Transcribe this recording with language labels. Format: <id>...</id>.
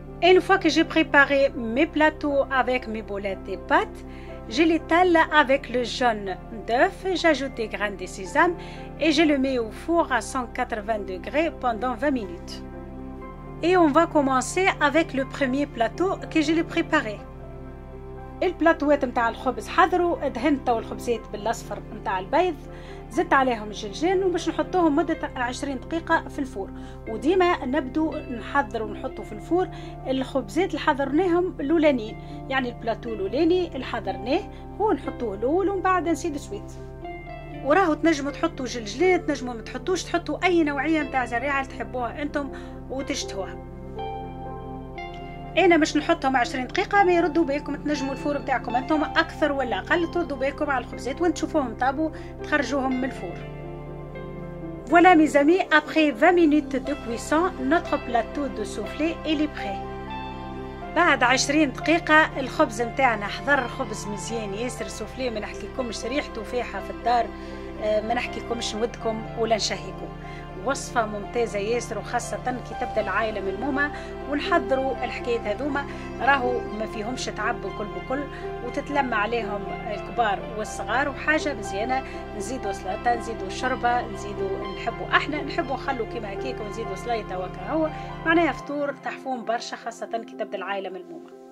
<fr>Une fois que j'ai préparé mes plateaux avec mes boulettes et pâtes, je l'étale avec le jaune d'œuf, j'ajoute des graines de sésame et je le mets au four à 180 degrés pendant 20 minutes. Et on va commencer avec le premier plateau que j'ai préparé.</fr> <ar>البلاطوات نتاع الخبز حضروا، دهنت تو الخبزات بالاصفر نتاع البيض، زدت عليهم جلجان وباش نحطوهم مده 20 دقيقه في الفور، وديما نبدو نحضروا ونحطوا في الفور الخبزات اللي حضرناهم الاولانيين، يعني البلاطو الاولاني اللي حضرناه هو نحطوه الاول ومن بعد نسيد سويت. وراهو تنجموا تحطوا جلجلان، تنجموا ما تحطوش، تحطوا اي نوعيه نتاع زريعه اللي تحبوها انتم وتشتهوها. انا مش نحطهم 20 دقيقه، ما يردوا بيكم تنجموا الفور بتاعكم انتم اكثر ولا اقل، تردوا بيكم على الخبزات وانت تشوفوهم طابوا تخرجوهم من الفور.</ar> <fr>Voilà mes amis, après 20 minutes de cuisson, notre plateau de soufflé est prêt.</fr> <ar>بعد 20 دقيقه الخبز نتاعنا حضر، خبز مزيان ياسر، سوفلي ما نحكيكمش ريحته فيحه في الدار، ما نحكيكمش نودكم ولا نشهيكم، وصفة ممتازة ياسر، وخاصة كي تبدأ العائلة من موما ونحضروا الحكاية هذوما، راهو ما فيهمش تعب بكل بكل، وتتلم عليهم الكبار والصغار، وحاجة مزيانة نزيدوا سلطة، نزيدوا شربة، نزيدوا نحبوا، احنا نحبوا نخلوا كيما هكيك ونزيدوا سلطة وكهوة، معناها فطور تحفون برشا خاصة كي تبدأ العائلة من موما.</ar>